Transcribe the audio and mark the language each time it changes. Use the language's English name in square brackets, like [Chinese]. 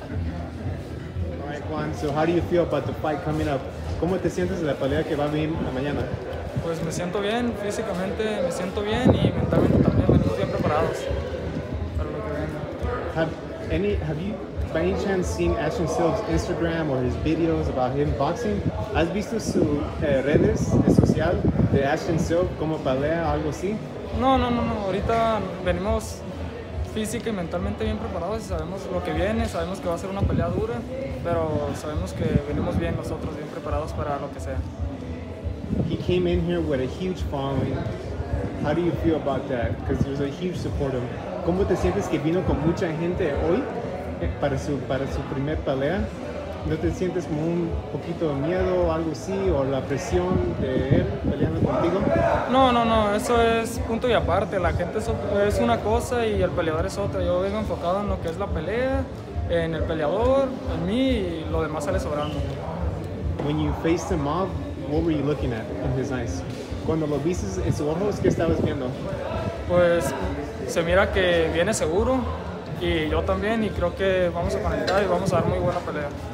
[English] Oh. Alright, Juan, so how do you feel about the fight coming up? [Spanish] ¿Cómo te sientes de la pelea que va a venir la mañana? Pues me siento bien, físicamente me siento bien y mentalmente también. [English] Have you by any chance seen Ashton Silva's Instagram or his videos about him boxing? [Spanish] ¿Has visto su redes social de Ashton Silva como pelea o algo así? No. Ahorita venimos física y mentalmente bien preparados y sabemos lo que viene, sabemos que va a ser una pelea dura, pero sabemos que venimos bien nosotros, bien preparados para lo que sea. [English] He came in here with a huge following. How do you feel about that? Because there's a huge support of him. [Spanish] ¿Cómo te sientes que vino con mucha gente hoy para su primer pelea? ¿No te sientes como un poquito de miedo o algo así? ¿O la presión de él peleando contigo? No. Eso es punto y aparte. La gente es una cosa y el peleador es otra. Yo vengo enfocado en lo que es la pelea, en el peleador, en mí, y lo demás sale sobrando. [English] When you faced him off, what were you looking at in his eyes? [Spanish] Cuando lo viste en sus ojos, ¿qué estabas viendo? Pues se mira que viene seguro y yo también, y creo que vamos a conectar y vamos a dar muy buena pelea.